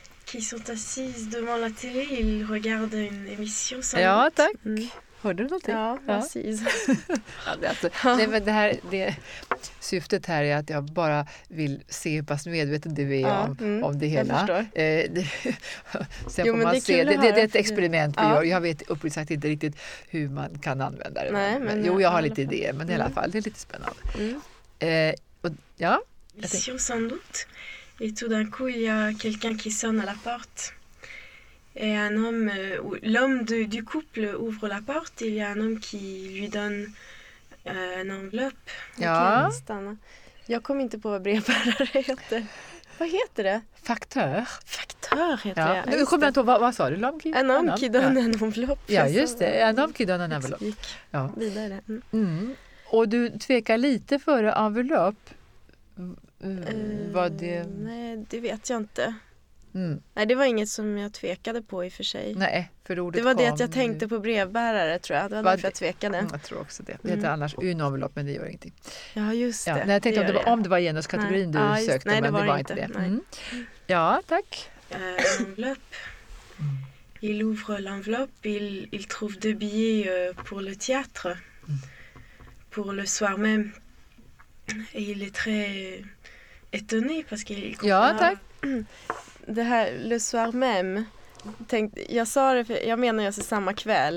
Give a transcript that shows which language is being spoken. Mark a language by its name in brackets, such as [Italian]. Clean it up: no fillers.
[French] qui sont assis devant la télé, ils regardent une émission sans [Swedish] ja, [French] doute. [Swedish] Tack. Mm. Hörde du någonting? Ja, precis. Ja. Ja, alltså, nej, men det här, det, syftet här är att jag bara vill se hur pass medveten du är om det hela. Jag förstår. Det är ett experiment vi gör. Jag vet uppriktigt sagt inte riktigt hur man kan använda det. Nej, men jo, jag har lite idéer, men i alla fall, det är lite spännande. [French] Mm. Mission sans doute. Et tout d'un coup, il y a quelqu'un qui sonne à la porte. Et un homme, l'homme du couple ouvre la porte. Il y a un homme qui lui donne un enveloppe. [Swedish] Ja. Okay, jag kommer inte på vad brevbärare heter. Vad heter det? Faktör. Faktör heter det. Nu kommer jag inte ihåg, vad sa du? [French] L'homme qui... En homme qui donne un enveloppe. [Swedish] Ja, just det. [French] En homme qui donne un enveloppe. [Swedish] Gick vidare. Och du tvekar lite före envelopp. Var det... Nej, det vet jag inte. Mm. Nej, det var inget som jag tvekade på i och för sig. Nej, för ordet det var det att jag tänkte på brevbärare, tror jag. Det var därför jag tvekade. Jag tror också det. Det heter annars unavelopp, men det gör ingenting. Ja, just det. Nej, jag tänkte det om det var genuskategorin du sökte, nej, men det var inte det. Nej. Mm. Ja, tack. [French] Envelopp. Il ouvre l'enveloppe. Il trouve deux billets pour le théâtre. Pour le soir même. Et il est très étonné parce qu'il comprend... [Swedish] Ja, tack. Det här [French] le soir même. [Swedish] Jag sa det för jag menar alltså samma kväll.